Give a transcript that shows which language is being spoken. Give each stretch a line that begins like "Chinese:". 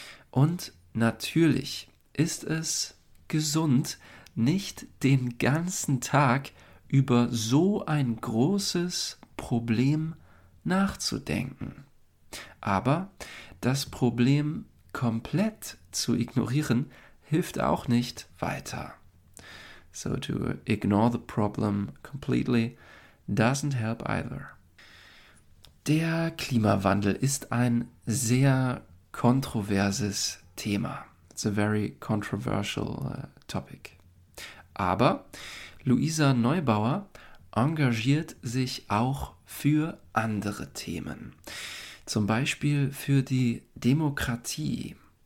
German: Und natürlich ist es gesund, nicht den ganzen Tag über so ein großes Problem nachzudenken. Aber das Problem komplett zu ignorieren, hilft auch nicht weiter.
English: So to ignore the problem completely doesn't help either.
German: Der Klimawandel ist ein sehr kontroverses Thema.
English: It's a very controversial topic.
German: Aber Luisa Neubauer engagiert sich auch für andere Themen, zum Beispiel für die Demokratie.